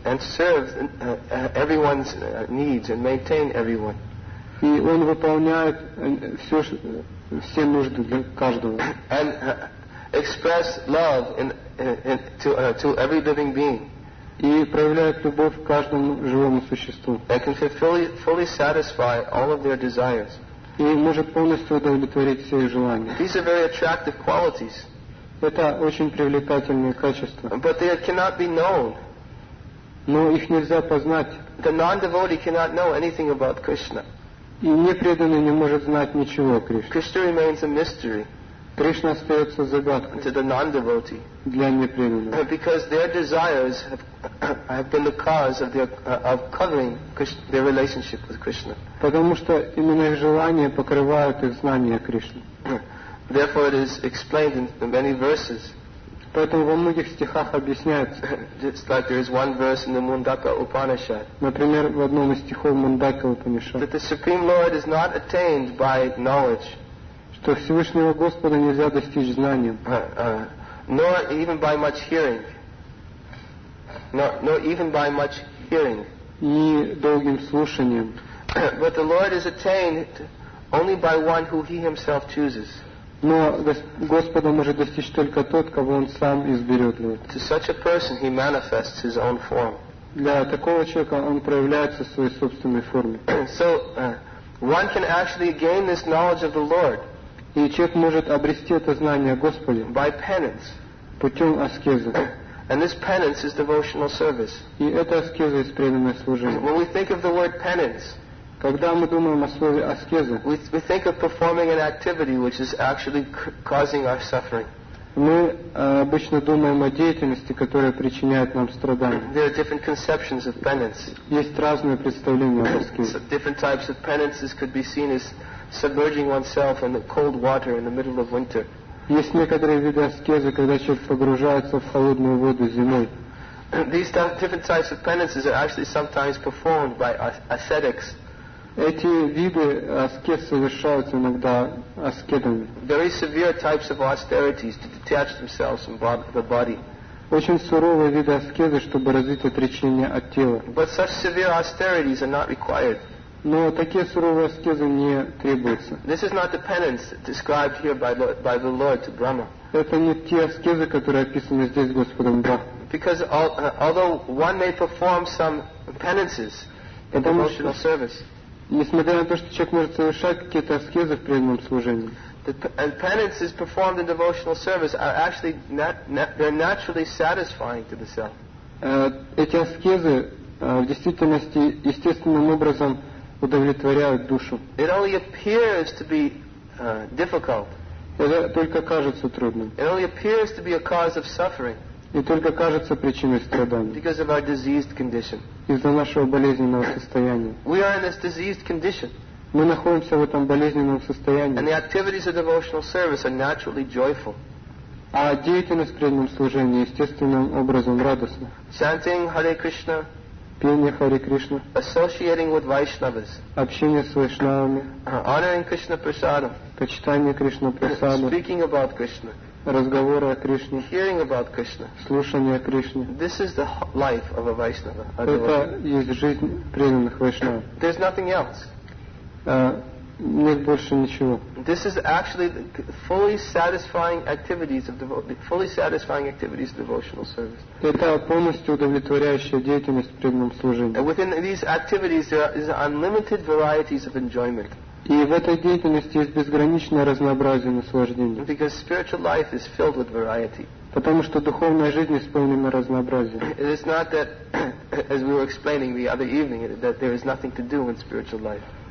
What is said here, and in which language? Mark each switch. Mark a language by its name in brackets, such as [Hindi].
[English] And serve everyone's needs and maintain everyone. [Russian] И он выполняет все нужды для каждого. [English] And express love to every living being. [Russian] И проявляет любовь к каждому живому существу. [English] And can fully satisfy all of their desires. [Russian] И может полностью удовлетворить все их желания. [English] These are very attractive qualities. [Russian] Это очень привлекательные качества. [English] But they cannot be known. [Russian] Но их нельзя познать. [English] The non-devotee cannot know anything about Krishna. [Russian] И непреданный не может знать ничего о Кришне. [English] Krishna remains a mystery. [Russian] Кришна остается загадкой. [English] To the non-devotee. [Russian] Для непреданного. [English] Because their desires have been the cause of their of covering Krishna, their relationship with Krishna. [Russian] Потому что именно их желания покрывают их знания о Кришне. [English] Therefore, it is explained in many verses. [Russian] Поэтому во многих стихах объясняется. [English] Just like there is one verse in the Mundaka Upanishad. [Russian] Например, в одном из стихов Мундака Упанишад. [English] That the Supreme Lord is not attained by knowledge. [Russian] Что Всевышнего Господа нельзя достичь знанием. [English] Nor even by much hearing. Nor even by much hearing. [Russian] И долгим слушанием. [English] But the Lord is attained only by one who He Himself chooses. [Russian] Но Господа может достичь только тот, кого Он сам изберет. [English] To such a person, he manifests his own form. [Russian] Для такого человека Он проявляется в своей собственной форме. [English] So, one can actually gain this knowledge of the Lord. [Russian] И человек может обрести это знание о Господе. [English] By penance. [Russian] Путем аскезы. [English] And this penance is devotional service. [Russian] И это аскеза из преданной службы. [English] When we think of the word penance. [Russian] Когда мы думаем о слове аскеза, [English] we think of performing an activity which is actually causing our suffering. [Russian] Мы обычно думаем о деятельности, которая причиняет нам страдания. [English] There are different conceptions of penance. [Russian] Есть разные представления об аскезе. [English] So different types of penances could be seen as submerging oneself in the cold water in the middle of winter. [Russian] Есть некоторые виды аскезы, когда человек погружается в холодную воду зимой. [English] These different types of penances are actually sometimes performed by ascetics. [Russian] Эти виды аскез совершаются иногда аскетами. [English] Very severe types of austerities to detach themselves from the body. [Russian] Очень суровые виды аскезы, чтобы развить отречение от тела. [English] But such severe austerities are not required. [Russian] Но такие суровые аскезы не требуются. [English] This is not the penance described here by the Lord to Brahma. [Russian] Это не те аскезы, которые описаны здесь Господом Брахмой. [English] Because although one may perform some penances in devotional service. [Russian] Несмотря на то, что человек может совершать какие-то аскезы в преданном служении. [English] And penances performed in devotional service are actually they're naturally satisfying to the self. [Russian] Эти аскезы в действительности естественным образом удовлетворяют душу. [English] It only appears to be difficult. [Russian] Это только кажется трудным. [English] It only appears to be a cause of suffering. [Russian] И только кажется причиной страдания. [English] Because of our diseased condition. [Russian] Из-за нашего болезненного состояния. [English] We are in this diseased condition. [Russian] Мы находимся в этом болезненном состоянии. [English] And the activities of devotional service are naturally joyful. [Russian] А деятельность в преданном служении естественным образом радостна. [English] Chanting Hare Krishna. [Russian] Пение Хари Кришна. [English] Associating with Vaishnavas. [Russian] Общение с вайшнавами. [English] Honoring Krishna Prasadam. [Russian] Почитание Кришна Прасадам. [English] Speaking about Krishna. [Russian] Разговоры о Кришне. [English] Hearing about Krishna. [Russian] Слушание о Кришне. [English] This is the life of a Vaishnava. [Russian] Это есть жизнь преданных вайшнав. [English] There's nothing else. [Russian] Нет больше ничего. [English] This is actually the fully satisfying activities of devotional service. [Russian] Это полностью удовлетворяющая деятельность в преданном служении. [English] And within these activities there is unlimited varieties of enjoyment. [Russian] И в этой деятельности есть безграничное разнообразие наслаждений. [English] Because spiritual life is filled with variety. [Russian] Потому что духовная жизнь исполнена разнообразием. [English] It is not that, as we were explaining the other evening, that there is nothing to do in spiritual life.